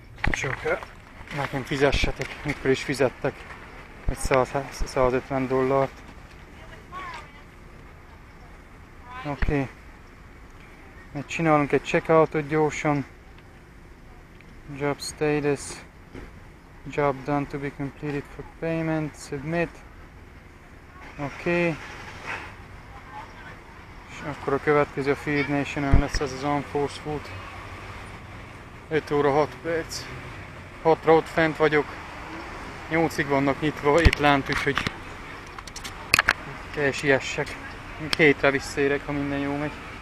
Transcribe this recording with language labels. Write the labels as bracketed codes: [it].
[hu] Csak nekem fizessetek, mikor is fizettek egy 150 dollárt. Oké. Okay. Csinálunk egy checkoutot gyorsan. [en] Job status. Job done to be completed for payment. Submit. Oké. Okay. [hu] És akkor a következő a Feed Nation-en lesz ez az Unforced Food. 5 óra 6 perc. 6-ra ott fent vagyok. 8-ig vannak nyitva itt lent, úgyhogy kell siessek. Hétre visszérek, ha minden jó megy.